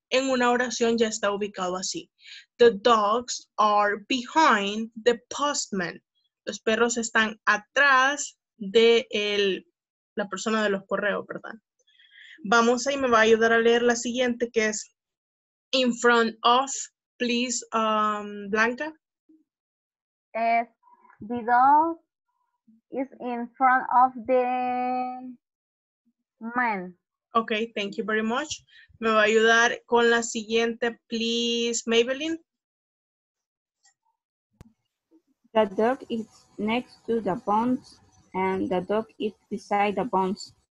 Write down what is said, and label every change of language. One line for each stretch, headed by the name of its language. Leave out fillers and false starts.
Spanish: En una oración ya está ubicado así.
English: The dogs are behind the postman.
Spanish: Los perros están atrás de el, la persona de los correos, ¿verdad? Vamos ahí, me va a ayudar a leer la siguiente que es,
English: in front of, please,
Spanish: Blanca.
English: Yes. The dog is in front of the man. Okay, thank you very much.
Spanish: Me va a ayudar con la siguiente, please, Maybelline.
English: The dog is next to the bones and the dog is beside the bones.